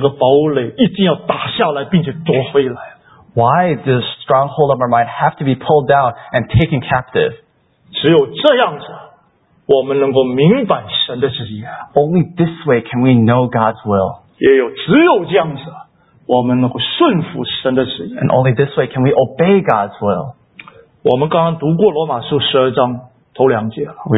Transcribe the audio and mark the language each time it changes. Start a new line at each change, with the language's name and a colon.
Chinese: 为什么要把我们这个心思这个堡垒一定要打下来并且夺回来？
English: Why does stronghold of our mind have to be pulled down and taken captive?
Chinese: 只有这样子我们能够明白神的旨意。
English: Only this way can we know God's will.
Chinese: 只有这样子我们能够顺服神的旨意。
English: And only this way can we obey God's will.
Chinese: 我们刚刚读过罗马书十二章头两节了。
English: We